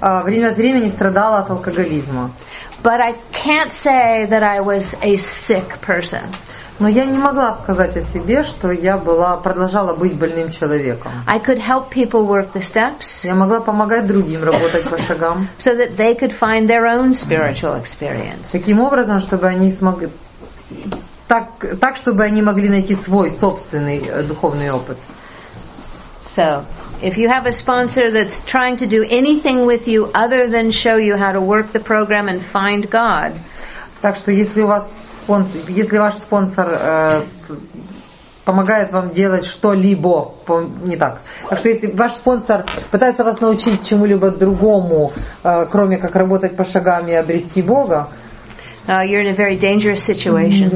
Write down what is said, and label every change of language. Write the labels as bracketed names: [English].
[Russian] Время от времени страдала от алкоголизма. [English] But I can't say that I was a sick person. [Russian] Но я не могла сказать о себе, что я была, продолжала быть больным человеком. [English] I could help people work the steps. [Russian] Я могла помогать другим работать по шагам. [English] So that they could find their own spiritual experience. [Russian] Таким образом, чтобы они смогли так, чтобы они могли найти свой собственный духовный опыт. [English] So, if you have a sponsor that's trying to do anything with you other than show you how to work the program and find God. [Russian] Так что если у вас спонсор, если ваш спонсор помогает вам делать что-либо, не так. Так что если ваш спонсор пытается вас научить чему-либо другому, кроме как работать по шагам и обрести Бога, [English] you're in a very dangerous situation.